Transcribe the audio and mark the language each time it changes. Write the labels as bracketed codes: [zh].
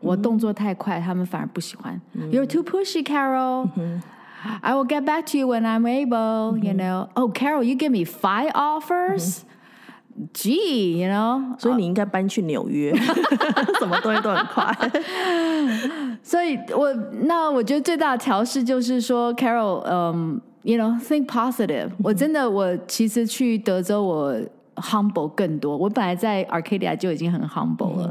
[zh] 我动作太快他们反而不喜欢、 mm-hmm. [en] You're too pushy, Carol、 mm-hmm. I will get back to you when I'm able、 mm-hmm. You know Oh, Carol, you give me 5 offers?、 Mm-hmm. Gee, you know [zh] 所以你应该搬去纽约什么东西都很快所以我觉得最大的调试就是说 Carol、 [en] you know think positive、嗯、 [zh] 我真的我其实去德州我 humble 更多我本来在 Arcadia 就已经很 humble 了、